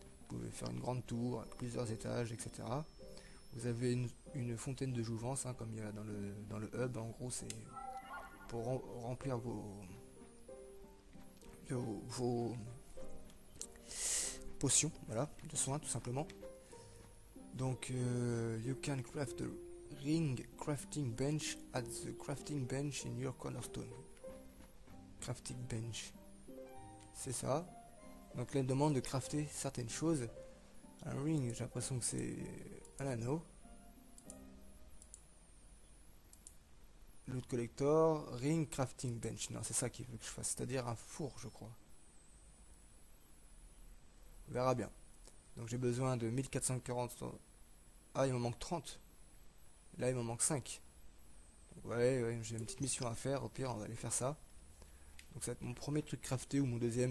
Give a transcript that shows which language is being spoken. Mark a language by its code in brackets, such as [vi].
[fr] Vous pouvez faire une grande tour, plusieurs étages, etc. Vous avez une fontaine de jouvence, hein, comme il y a dans le hub. En gros, c'est pour remplir vos potions, voilà, de soins tout simplement. [en] Donc, you can craft the ring crafting bench at the crafting bench in your cornerstone. [fr] Crafting bench. C'est ça. Donc, elle demande de crafter certaines choses. Un ring, j'ai l'impression que c'est un anneau. Loot collector, ring crafting bench. Non, c'est ça qu'il veut que je fasse. C'est-à-dire un four, je crois. On verra bien. Donc, j'ai besoin de 1440. Ah, il m'en manque 30. Là, il m'en manque 5. Ouais, j'ai une petite mission à faire. Au pire, on va aller faire ça. Donc, ça va être mon premier truc crafté ou mon deuxième.